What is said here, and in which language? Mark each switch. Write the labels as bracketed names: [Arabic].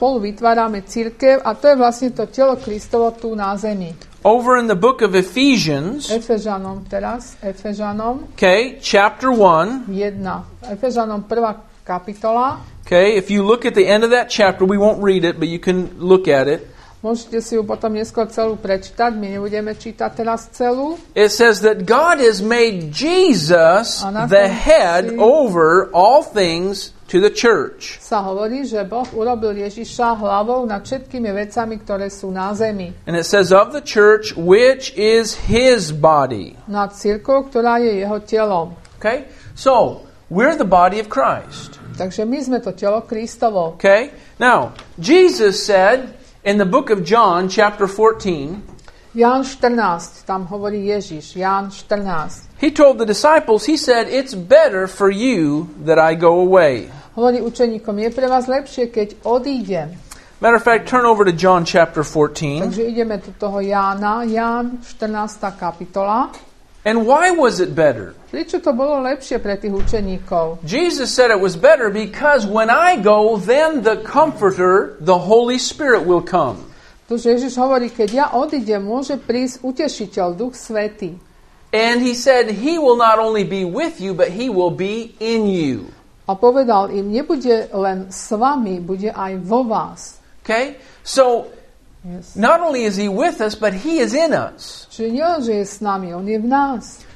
[Slovak] Spolu vytvárame cirkev a to je vlastne to telo Kristovo tu na zemi. [English] Over in the book of Ephesians. [Slovak] Efezanom teraz, Efezanom. [English] Okay, chapter 1. [Slovak] 1. Efezanom 1. kapitola. [English] Okay, if you look at the end of that chapter, we won't read it, but you can look at it. [Slovak] Môžete si ju potom neskôr celú prečítať, my nebudeme čítať teraz celú. [English] It says that God has made Jesus the head over all things to the church. [Slovak] Sa hovorí, že Boh urobil Ježiša hlavou nad všetkými vecami, ktoré sú na zemi. [English] And it says of the church, which is his body. [Slovak] Nad cirkvou, ktorá je jeho telom. [English] Okay? So, we're the body of Christ. [Slovak] Takže my sme to telo Kristovo. [English] Okay? Now, Jesus said in the book of John, chapter 14. [Slovak] Ján 14, tam hovorí Ježiš, Ján 14. [English] He told the disciples, he said, it's better for you that I go away. [Slovak] Hovorí učeníkom, je pre vás lepšie, keď odídem. [English] Matter of fact, turn over to John chapter 14. [Slovak] Takže ideme do toho Jána, Ján 14. kapitola. [English] And why was it better? [Slovak] Prečo to bolo lepšie pre tých učeníkov? [English] Jesus said it was better because when I go, then the Comforter, the Holy Spirit will come. [Slovak] Takže Ježiš hovorí, keď ja odídem, môže prísť Utešiteľ, Duch Svätý. [English] And he said, he will not only be with you, but he will be in you. [Slovak] A povedal im, nebude len s vami, bude aj vo vás. [English] Okay? So, yes. Not only is he with us, but he is in us. [Slovak] Čiže nie len, že je s nami, on je v nás.